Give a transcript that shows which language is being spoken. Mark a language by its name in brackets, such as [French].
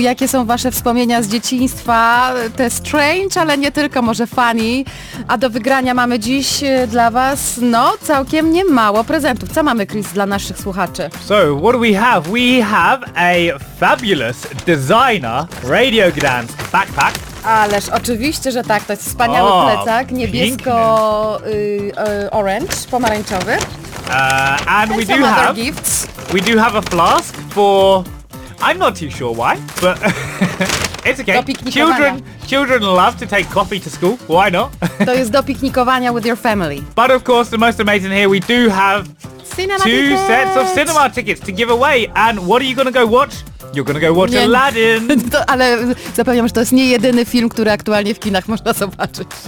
[Polish] Jakie są wasze wspomnienia z dzieciństwa? Te strange, ale nie tylko, może funny. A do wygrania mamy dziś dla was, no, całkiem niemało prezentów. Co mamy, Chris, dla naszych słuchaczy? [English] So, what do we have? We have a fabulous designer Radio Gdansk backpack. [Polish] Ależ oczywiście, że tak, to jest wspaniały plecak, niebiesko orange, pomarańczowy. [English] And we do have gifts. We do have a flask for I'm not too sure why, but it's okay. Children love to take coffee to school. Why not? [Polish] To jest do piknikowania [English] with your family. But of course, the most amazing here, we do have two sets of cinema tickets to give away. And what are you going to go watch? You're gonna go watch Aladdin. [Polish] Ale zapewniam, że to jest nie jedyny film, który aktualnie w kinach można zobaczyć.